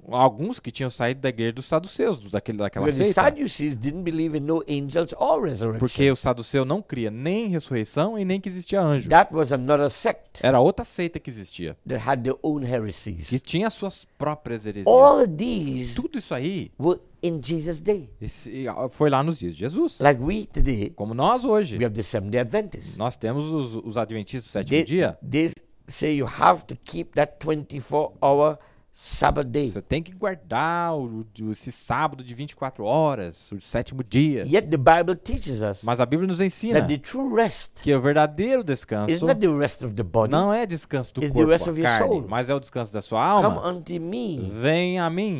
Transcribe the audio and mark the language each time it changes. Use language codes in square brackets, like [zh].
[pt] Alguns que tinham saído da igreja dos saduceus, daquela [en] because [pt] seita. [en] The Sadducees didn't believe in no angels or resurrection. [pt] Porque o saduceu não cria nem ressurreição e nem que existia anjo. [en] That was another sect. [pt] Era outra seita que existia. [en] They had their own heresies. [pt] Que tinha suas próprias heresias. [en] All these, [pt] tudo isso aí, [en] were in Jesus' day. [pt] Foi lá nos dias de Jesus. [en] Like we today, [pt] como nós hoje, [en] we have the Seventh-day Adventists. [pt] Nós temos os Adventistas do sétimo dia. [en] Say you have to keep that 24-hour Sabbath day. [pt] Você tem que guardar esse sábado de 24 horas, o sétimo dia. [en] Yet the Bible teaches us, [pt] mas a Bíblia nos ensina, [en] that the true rest, [pt] que o verdadeiro descanso, [en] is not the rest of the body, [pt] não é descanso do [en] is [pt] corpo, [en] the rest of [pt] carne, [en] your soul, [pt] mas é o descanso da sua alma. [en] Come unto me, [pt] vem a mim,